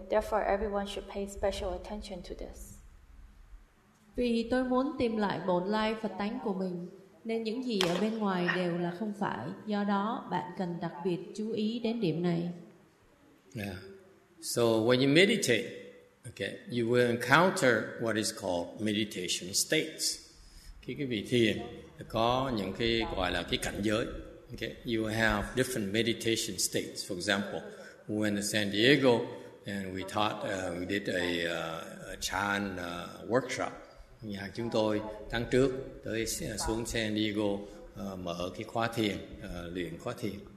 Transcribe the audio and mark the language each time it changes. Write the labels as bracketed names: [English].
[English] Therefore, everyone should pay special attention to this. [Vietnamese] Vì tôi muốn tìm lại bổn lai Phật tánh của mình, nên những gì ở bên ngoài đều là không phải. Do đó, bạn cần đặc biệt chú ý đến điểm này. [English] Yeah. So when you meditate, okay, you will encounter what is called meditation states. [Vietnamese] Khi quý vị thiền, có những cái gọi là cái cảnh giới. [English] Okay, you will have different meditation states. For example, we went to San Diego and we taught, we did a chan workshop. [Vietnamese] Nhà chúng tôi tháng trước tới xuống San Diego mở cái khóa thiền, luyện khóa thiền.